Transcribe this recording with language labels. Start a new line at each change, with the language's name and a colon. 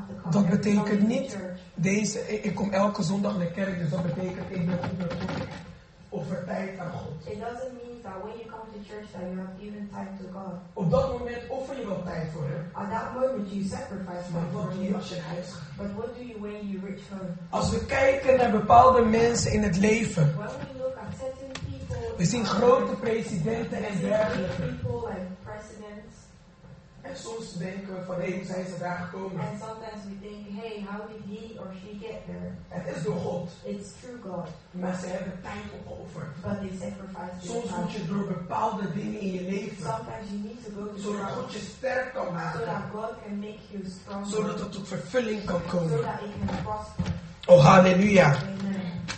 Dutch: Dat betekent niet deze. Ik kom elke zondag naar kerk, dus dat betekent ik ben goed met God. Over tijd aan God.
English: It doesn't mean that when you come to church that you have given time to God.
Dutch: Op dat moment offer je wel tijd voor Hem.
English: At that moment you sacrifice time for Him.
Dutch: Maar wat doe je als je huis gaat?
English: But what do you when you reach home?
Dutch: Als we kijken naar bepaalde mensen in het leven.
English: When we look at certain people.
Dutch: We zien grote presidenten en dergelijke.
English: People like presidents.
Dutch: En soms denken we van hey, hoe zijn ze daar gekomen?
English: And sometimes we think, hey, how did he or she get there?
Dutch: Het is door God.
English: It's through God.
Dutch: Maar ze hebben tijd opgeofferd.
English: But they sacrificed.
Dutch: Soms moet je door bepaalde dingen in je leven.
English: Sometimes you need to go to
Dutch: zodat God je sterk kan maken.
English: So that God can make you stronger.
Dutch: Zodat het tot vervulling kan komen.
English: So that it can prosper. Oh, halleluja. Amen.